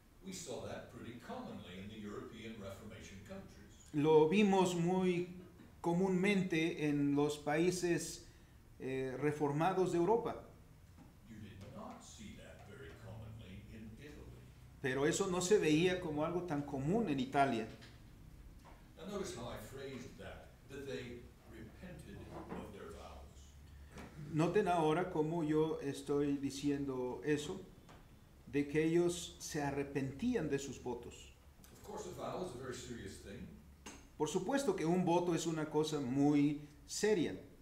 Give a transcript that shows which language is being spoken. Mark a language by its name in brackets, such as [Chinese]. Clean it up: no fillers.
[English] We saw that pretty commonly in the European Reformation countries. [Spanish] Lo vimos muy comúnmente en los países reformados de Europa. [English] You did not see that very commonly in Italy. [Spanish] Pero eso no se veía como algo tan común en Italia. [English] Now notice how I phrased that, that they repented of their vows. [Spanish] Noten ahora cómo yo estoy diciendo eso, de que ellos se arrepentían de sus votos. [English] Of course, a vow is a very serious thing. [Spanish] Por supuesto que un voto es una cosa muy seria.